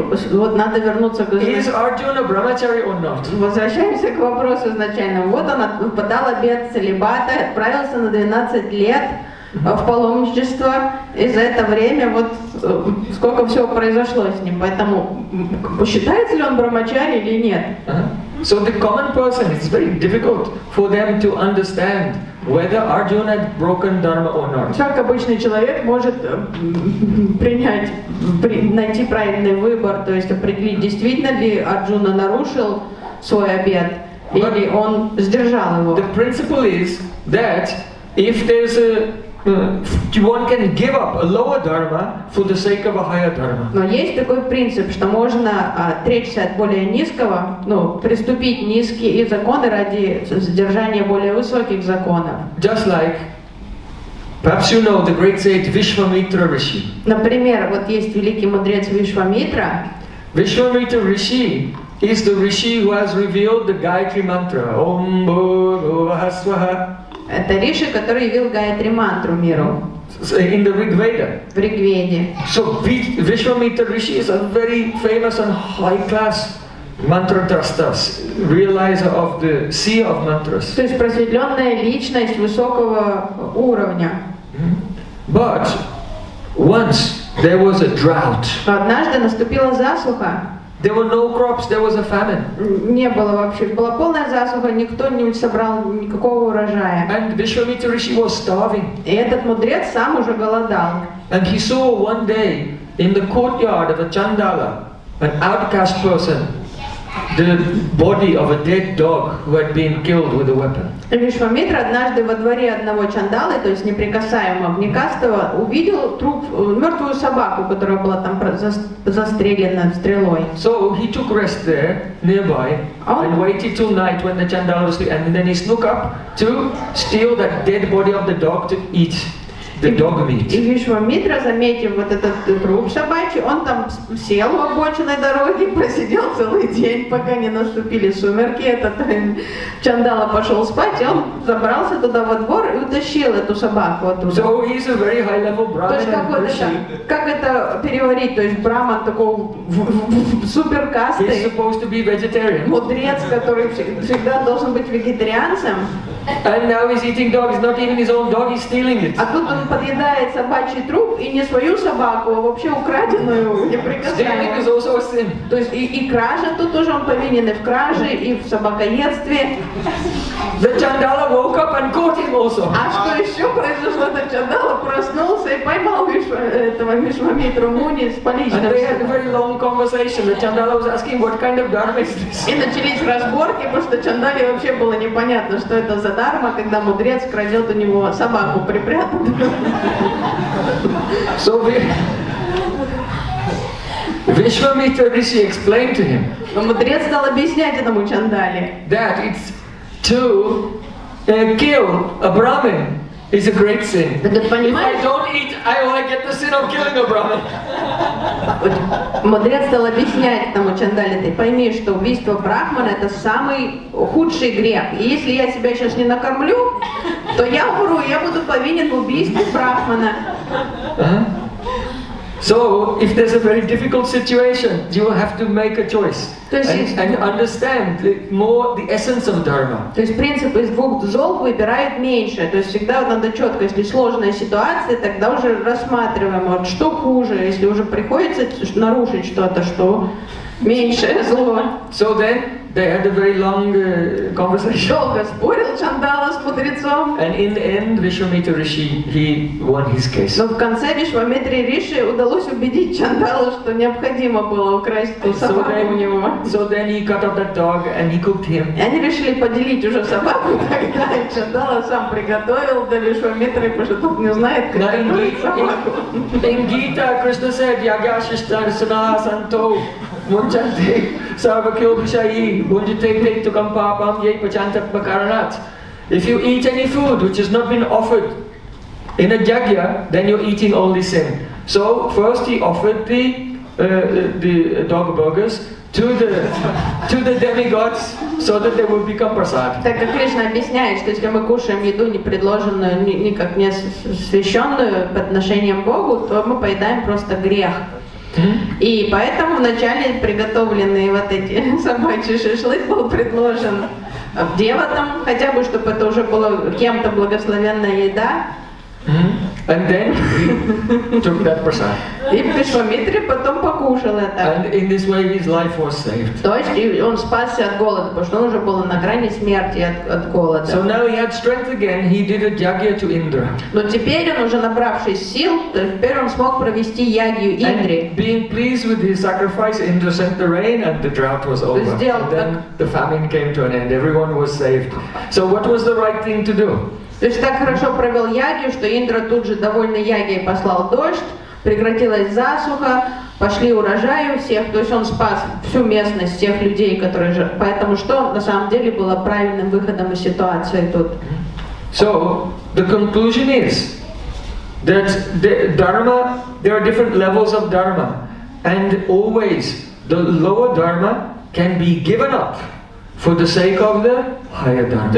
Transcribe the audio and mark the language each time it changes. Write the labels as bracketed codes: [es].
[en] Is Arjuna Brahmacharya or not? [ru] Возвращаемся к вопросу изначально. Вот она подала обет целибата, отправился на 12 лет в паломничество, и за это время вот сколько всего произошло с ним. Поэтому считается ли он брахмачари или нет? [en] So the common person, it's very difficult for them to understand whether Arjuna had broken dharma or not. [ru] Как обычный человек может найти правильный выбор, то есть определить, действительно ли Арджуна нарушил свой обет или он сдержал его? [en] The principle is that if there's a one can give up a lower dharma for the sake of a higher dharma. [ru] Но есть такой принцип, что можно отречься от более низкого, ну, приступить низкие законы ради содержания более высоких законов. [en] Just like, perhaps you know the great sage Vishvamitra Rishi. [ru] Например, вот есть великий мудрец Вишвамитра. [en] Vishvamitra Rishi is the Rishi who has revealed the Gayatri Mantra. [sa] Om Bhurvaha Swaha. [ru] Это риши, который явил Гаятри мантру миру. [en] In the Rigveda. [ru] В Ригведе. [en] So Vishvamitra Rishi is a very famous and high class mantra drastas, realizer of the sea of mantras. [ru] То есть просветленная личность высокого уровня. [en] But once there was a drought. [ru] Однажды наступила засуха. [en] There were no crops, there was a famine. [ru] Не было вообще. Была полная засуха, никто не собрал никакого урожая. [en] And Vishvamitra Rishi was starving. [ru] И этот мудрец сам уже голодал. [en] And he saw one day in the courtyard of a chandala, an outcast person, the body of a dead dog who had been killed with a weapon. [ru] И Вишвамитра однажды во дворе одного чандалы, то есть неприкасаемого, некастого, увидел труп, мертвую собаку, которая была там застрелена стрелой. [en] So he took rest there, nearby, and waited till night when the chandala was sleeping, and then he snuck up to steal that dead body of the dog to eat. [ru] И Вишвамитра, заметив вот этот труп собачий, он там сел у обочины дороги, просидел целый день, пока не наступили сумерки, этот чандала пошел спать, и он забрался туда во двор и утащил эту собаку оттуда. [en] So he's a very high-level brahman. [ru] То есть как это переварить, то есть брахман такого суперкасты, [en] he's supposed to be vegetarian. [ru] Мудрец, который всегда должен быть вегетарианцем. [en] And now he's eating dogs, not even his own dog, he's stealing it. [ru] А тут он подъедает собачий труп и не свою собаку, а вообще украденную, неприкасаемую. То есть и кража тут тоже он повинен, и в краже, и в собакоедстве. [en] The chandala woke up and caught him also. [ru] А что еще произошло? Этот чандала проснулся и поймал этого Вишвамитру Муни с поличным. [en] And they had a very long conversation. The chandala was asking, what kind of dharma is this? [ru] И начались разборки, потому что чандале вообще было непонятно, что это за дарма, когда мудрец крадет у него собаку припрятанную. [en] So Vishvamitra Rishi explained to him. [ru] Но мудрец стал объяснять этому чандале. [en] That it's to kill a brahmin is a great sin. [ru] Так, понимаешь? [en] If I don't eat, I will get the sin of killing a brahmin. [ru] Мудрец стал объяснять этому чандале, ты пойми, что убийство брахмана это самый худший грех. И если я себя сейчас не накормлю, то я умру, я буду повинен в убийстве брахмана. [en] So, if there's a very difficult situation, you have to make a choice and understand more the essence of dharma. [ru] То есть принцип из двух зол выбирает меньшее. То есть всегда надо четко, если сложная ситуация, тогда уже рассматриваем, вот что хуже, если уже приходится нарушить что-то, что меньшее зло. [en] So then they had a very long conversation. [ru] Долго спорил Чандала с мудрецом. [en] And in the end, Вишвамитра Риши, he won his case. [ru] Но в конце Вишвамитре Риши удалось убедить Чандалу, что необходимо было украсть ту собаку у него. [en] So then he cut up that dog and he cooked him. [ru] И они решили поделить уже собаку тогда. Чандала сам приготовил для Вишвамитры, потому что тот не знает, как готовить собаку. [en] In Gita, Krishna said, [sa] Yagyashishtar Sanah Santo. Munchanti sarvakyobhishayi bunjitekhtekhtukam papam yei pachantapakaranat. [en] If you eat any food which has not been offered in a jagya, then you're eating all the sin. So first he offered the dog burgers to the demigods so that they would become prasad. [ru] Так как Кришна объясняет, что если мы кушаем еду, не предложенную, никак не освященную по отношению к Богу, то мы поедаем просто грех. И поэтому вначале приготовленный вот эти собачий шашлык был предложен деватам, хотя бы, чтобы это уже была кем-то благословенная еда. [en] And then took that prasad. [ru] И Вишвамитра потом покушал это. [en] And in this way his life was saved. [ru] То есть он спасся от голода, потому что он уже был на грани смерти от голода. [en] So now he had strength again. He did a jagya to Indra. [ru] Но теперь он уже набравшись сил, теперь он смог провести ягью Индре. [en] And being pleased with his sacrifice, Indra sent the rain, and the drought was over. [ru] Сделал. [en] And then the famine came to an end. Everyone was saved. So what was the right thing to do? [ru] То есть так хорошо провел ягью, что Индра тут же довольный ягьей послал дождь, прекратилась засуха, пошли урожаи у всех, то есть он спас всю местность, всех людей, которые же. Поэтому что на самом деле было правильным выходом из ситуации тут? [en] So, the conclusion is that the dharma, there are different levels of dharma, and always the lower dharma can be given up for the sake of the higher dharma.